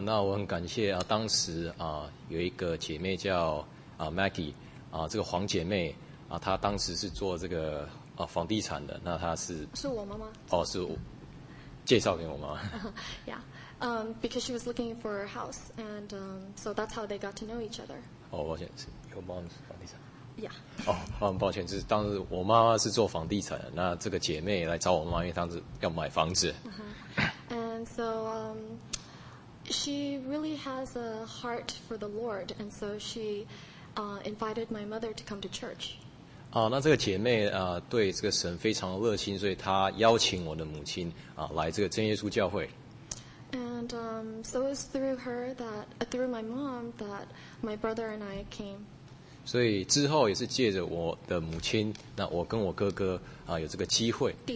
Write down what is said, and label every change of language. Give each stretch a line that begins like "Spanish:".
Chinese: 那我很感谢当时有一个姐妹叫Maggie 这个黄姐妹她当时是做这个房地产的，那她是。是我妈妈。哦，是我介绍给我妈妈。
English: Yeah, because she was looking for a house, and so that's how they got to know each other.
Chinese: 哦，抱歉，是
English: your mom's
Chinese: 房地产。 Yeah. 抱歉，是当时我妈妈是做房地产的，那这个姐妹来找我妈，因为当时要买房子。 Uh-huh.
English: And so, she really has a heart for the Lord, and so she invited my mother to come to church.
Chinese: 那这个姐妹对这个神非常热心，所以她邀请我的母亲来这个真耶稣教会。
English: And so it was through her that through my mom that my brother and I came.
Chinese: 所以之后也是借着我的母亲，那我跟我哥哥有这个机会，